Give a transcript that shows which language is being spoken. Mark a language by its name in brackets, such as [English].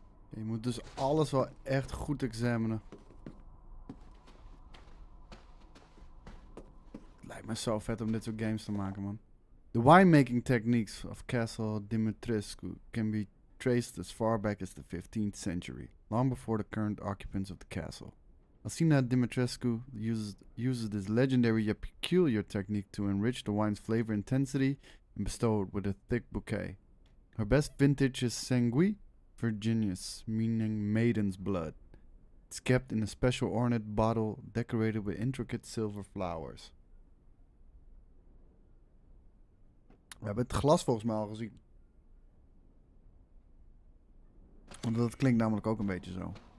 [Dutch] Je moet dus alles wel echt goed examinen. Het lijkt me zo vet om dit soort games te maken, man. [English] The winemaking techniques of Castle Dimitrescu can be traced as far back as the 15th century, long before the current occupants of the castle. Alcina Dimitrescu uses this legendary yet peculiar technique to enrich the wine's flavor intensity and bestow it with a thick bouquet. Her best vintage is Sangui Virginis, meaning maiden's blood. It's kept in a special ornate bottle decorated with intricate silver flowers. [Dutch] We hebben het glas volgens mij al gezien. Want dat klinkt namelijk ook een beetje zo.